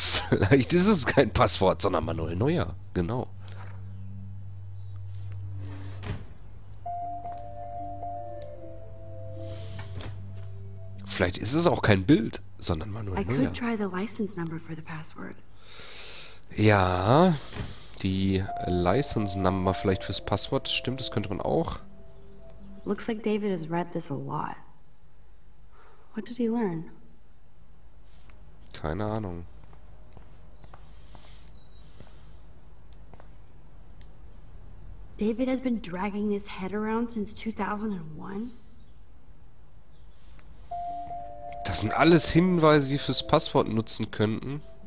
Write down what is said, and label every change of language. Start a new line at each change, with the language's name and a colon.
German: Vielleicht ist es kein Passwort, sondern Manuel Neuer. Genau. Vielleicht ist es auch kein Bild, sondern Manuel Neuer.
English: I could try the license number for the password.
German: Ja. Die License Number vielleicht fürs Passwort, das stimmt, das könnte man auch.
English: Looks like David has read this a lot. What did he learn?
German: Keine Ahnung.
English: David has been dragging his head around since 2001.
German: Das sind alles Hinweise, die fürs Passwort nutzen könnten.